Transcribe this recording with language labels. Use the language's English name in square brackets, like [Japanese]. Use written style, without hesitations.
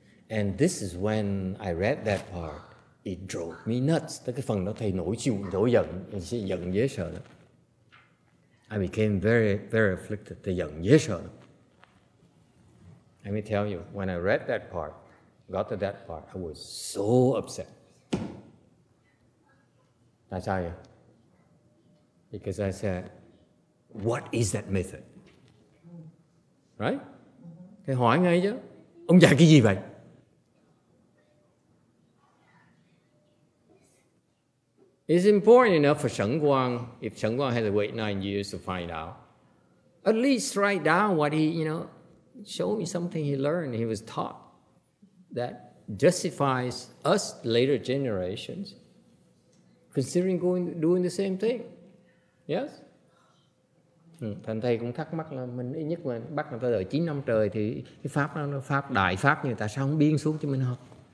[English] And this is when I read that part, it drove me nuts. [Vietnamese] Tới cái phần đó thầy nổi giận dễ sợ đó. [English] I became very, very afflicted. The young Yeshua. Let me tell you, when I read that part, got to that part, I was so upset. [Vietnamese] Tại sao vậy? [English] Because I said, what is that method? Right? [Vietnamese] Thầy hỏi ngay chứ. Ông dạy cái gì vậy? [English] It's important enough for Sheng Guang, if Sheng Guang had to wait 9 years to find out, at least write down what he, you know, show me something he learned, he was taught, that justifies us later generations considering doing the same thing. Yes? [Vietnamese] Thành thầy cũng thắc mắc là mình ít nhất mà bắt người ta đợi 9 năm trời thì cái pháp đó, nó pháp đại pháp như tại sao không biên xuống cho mình học?